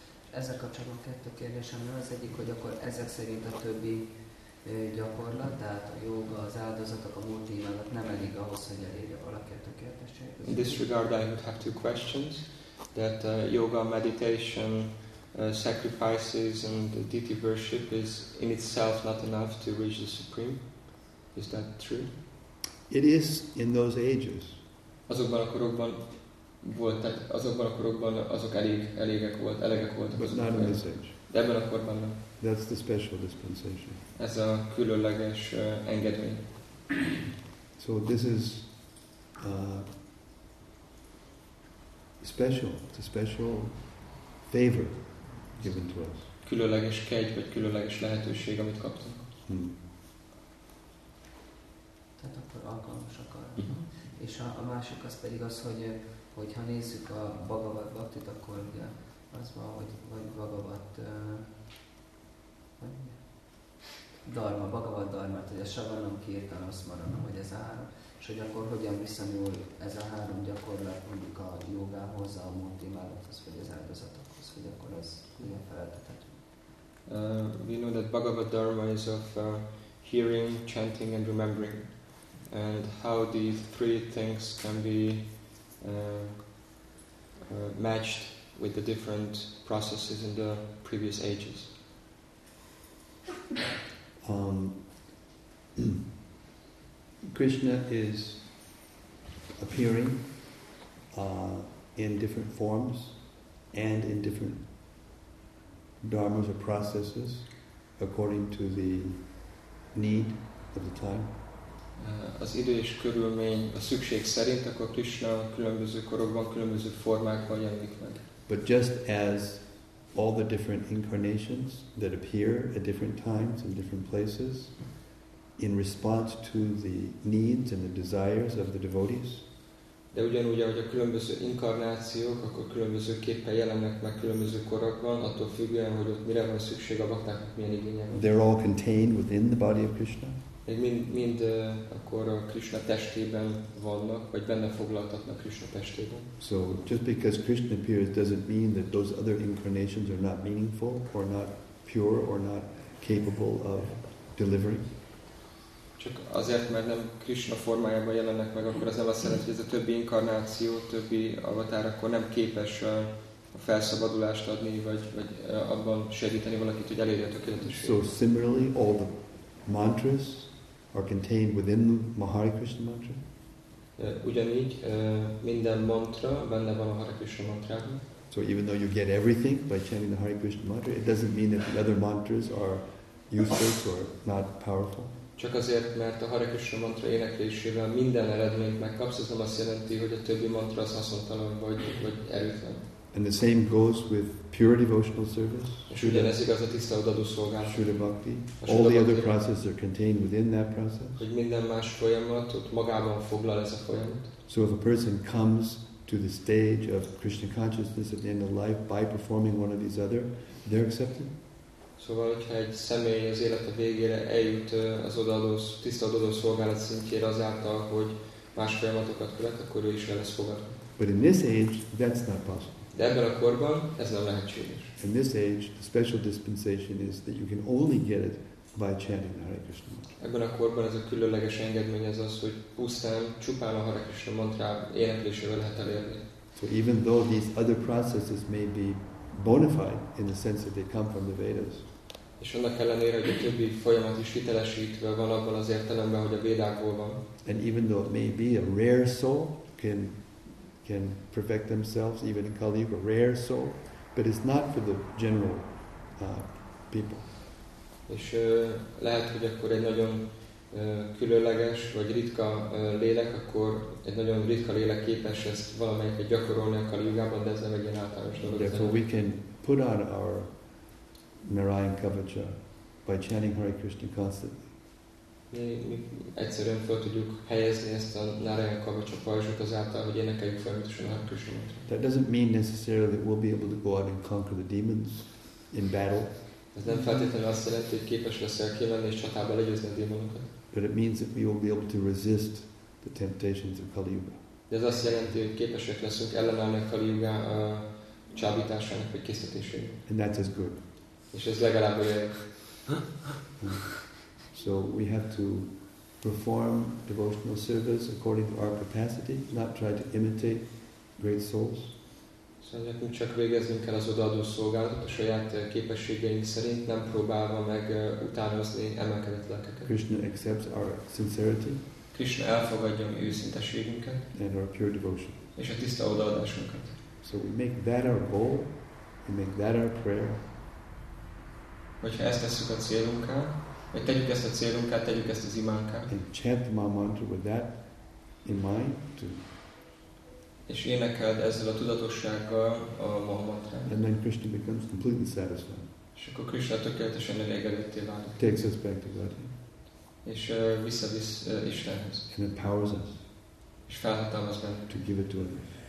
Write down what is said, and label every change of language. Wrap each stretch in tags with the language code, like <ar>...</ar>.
<hu>Ezek kapcsolatban kettő kérdésem van. Az egyik, hogy akkor ezek szerint a többi gyakorlat, tehát a yoga, az áldozatok, a multimálat nem elég ahhoz, hogy elérje valaki a tökéletességet.</hu> <en>In this regard, I would have two questions. That yoga, meditation, sacrifices and deity worship is in itself not enough to reach the supreme. Is that true? It is in those ages.</en> <hu>Azokban a korokban volt, tehát azokban a korokban azok elégek voltak.</hu> <en>But not in this age.</en> <hu>De ebben a korban nem.</hu> <en>That's the special dispensation.</en> <hu>Ez a különleges engedmény.</hu> <en>So this is special. It's a special favor given to us.</en> <hu>Különleges kegy, vagy különleges lehetőség, amit kaptunk. Tehát akkor alkalmas akar. És a másik az pedig az, hogyha nézzük a Bhagavat Bhaktit, akkor ugye az van, hogy Bhagavat dharma, Bhagavat dharma, hogy a savanam, kirtanam, smaranam, hogy ez a három, és hogy akkor hogyan viszonyul ez a három gyakorlat mondjuk a jogához, a multimálathoz, vagy az áldozatokhoz, hogy akkor az milyen feltetet.</hu> <en>We know that Bhagavat dharma is of hearing, chanting and remembering. And how these three things can be matched with the different processes in the previous ages. Krishna is appearing in different forms and in different dharmas or processes according to the need of the time.</en> <hu>Az idő és körülmény, a szükség szerint, akkor Krishna különböző korokban, különböző formákban jelenik meg.</hu> <en>But just as all the different incarnations that appear at different times and different places in response to the needs and the desires of the devotees.</en> <hu>De ugyanúgy, ahogy a különböző inkarnációk, akkor különbözőképpen jelennek meg különböző korokban, attól függően, hogy ott mire van szükség a baktáknak, milyen igények.</hu> <en>They're all contained within the body of Krishna.</en> <hu>Mind akkor a Krishna testében vannak, vagy benne foglaltatnak Krishna testében.</hu> <en>So just because Krishna appears doesn't mean that those other incarnations are not meaningful or not pure or not capable of delivering.</en> <hu>Csak azért, mert nem Krishna formájában jelennek meg, akkor az nem azt jelenti, hogy ez a többi inkarnáció, többi avatár akkor nem képes a felszabadulást adni, vagy abban segíteni valakit, hogy elérje a tökéletességet.</hu> <en>So similarly, all the mantras are contained within the Hare Krishna mantra.</en> <hu>Ugyanígy minden mantra benne van a Hare Krishna mantrában.</hu> <en>So even though you get everything by chanting the Hare Krishna mantra, it doesn't mean that the other mantras are useless or not powerful.</en> <hu>Csak azért, mert a Hare Krishna mantra éneklésével minden eredményt megkapsz, ez nem azt jelenti, hogy a többi mantra az haszontalan vagy erőtlen.</hu> <en>And the same goes with pure devotional service.</en> <hu>Ugyanez igaz a tiszta odaadó szolgálat.</hu> <en>Shuddha bhakti. All the other processes are contained within that process.</en> <hu>Hogy minden más folyamat ott magában foglal ez a folyamat.</hu> <en>So if a person comes to the stage of Krishna consciousness at the end of life by performing one of these other, they're accepted.</en> <hu>Szóval, hogyha egy személy az élete végére eljut az odaadó tiszta odaadó szolgálat szintjére azáltal, hogy más folyamatokat követ, akkor ő is el lesz fogadva.</hu> <en>But in this age, that's not possible.</en> <hu>De ebben a korban ez nem lehetséges.</hu> <en>In this age, the special dispensation is that you can only get it by chanting the Hare Krishna mantra.</en> <hu>Ebben a korban ez a különleges engedmény az, hogy pusztán, csupán a Hare Krishna mantra éneklésével lehet elérni.</hu> <en>So even though these other processes may be bona fide in the sense that they come from the Vedas.</en> <hu>És annak ellenére, hogy a többi folyamat is hitelesítve van abban az értelemben, hogy a Védákból van.</hu> <en>And even though it may be a rare soul can perfect themselves, even in Kali Yuga, a rare soul, but it's not for the general people.</en> <hu>És lehet, hogy akkor egy nagyon különleges, vagy ritka lélek, akkor egy nagyon ritka lélek képes ezt valamelyiket gyakorolni a Kali Yugában, de ez nem egy ilyen általános dolog.</hu> <en>Therefore we can put on our Narayan Kavacha by chanting Hare Krishna constantly.</en> <hu>Mi egyszerűen fel tudjuk helyezni ezt a Narayan Kavacsa pajzsot azáltal, hogy énekeljük folyamatosan a Krishnát.</hu> <en>That doesn't mean necessarily that we'll be able to go out and conquer the demons in battle.</en> <hu>Ez nem feltétlenül azt jelenti, hogy képes leszel kimenni és csatába legyőzni a démonokat.</hu> <en>But it means that we will be able to resist the temptations of Kali Yuga.</en> <hu>De ez azt jelenti, hogy képesek leszünk ellenállni a Kali Yuga a csábításának vagy késztetésének.</hu> <en>And that's as good.</en> <hu>És ez legalább olyan.</hu> <en>So we have to perform devotional service according to our capacity, not try to imitate great souls.</en> <hu>So nekünk csak végeznünk kell az odaadó szolgálatot a saját képességeink szerint, nem próbálva meg utánozni emelkedett lelkeket.</hu> <en>Krishna accepts our sincerity.</en> <hu>Krishna elfogadja mi őszinteségünket.</hu> <en>And our pure devotion.</en> <hu>És a tiszta odaadásunkat.</hu> <en>So we make that our goal, we make that our prayer.</en> <hu>Hogyha ezt tesszük a célunká, hogy tegyük ezt a célunkat, tegyük ezt az imánkat.</hu> <en>And chant the mantra with that in mind too.</en> <hu>És énekeld ezzel a tudatossággal a mantrát.</hu> <en>And then Krishna becomes completely satisfied.</en> <hu>És akkor Krishna tökéletesen elégedetté válik.</hu> <en>Takes us back to God.</en> <hu>És visszavisz Istenhez.</hu> <en>And empowers us.</en> <hu>És felhatalmaz bennünk.</hu> <en>To give it to others.</en>